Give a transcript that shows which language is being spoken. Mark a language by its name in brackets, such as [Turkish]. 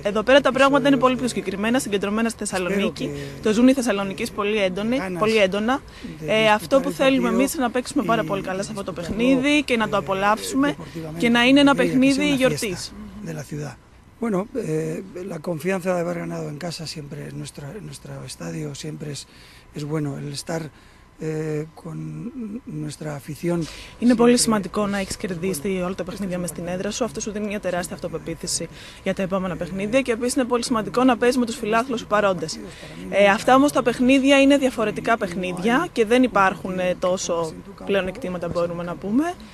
[Greek] Εδώ πέρα τα πράγματα είναι πολύ πιο συγκεκριμένα, συγκεντρωμένα στη Θεσσαλονίκη. Το ζουν οι Θεσσαλονικοί πολύ έντονα. Αυτό που θέλουμε εμείς είναι να παίξουμε πάρα πολύ καλά σε αυτό το παιχνίδι και να το απολαύσουμε και να είναι ένα παιχνίδι γιορτής. [Spanish] Bueno, la confianza de haber ganado en casa siempre es nuestro estadio, siempre es bueno el estar con nuestra afición. [Greek] Είναι πολύ σημαντικό να έχεις κερδίσει όλα τα παιχνίδια μες στην έδρα σου. Αυτό σου δίνει μια τεράστια αυτοπεποίθηση για τα επόμενα παιχνίδια και επίσης είναι πολύ σημαντικό να παίζεις με τους φιλάθλους σου παρόντες. Αυτά όμως τα παιχνίδια είναι διαφορετικά παιχνίδια και δεν υπάρχουν τόσο πλεονεκτήματα, μπορούμε να πούμε.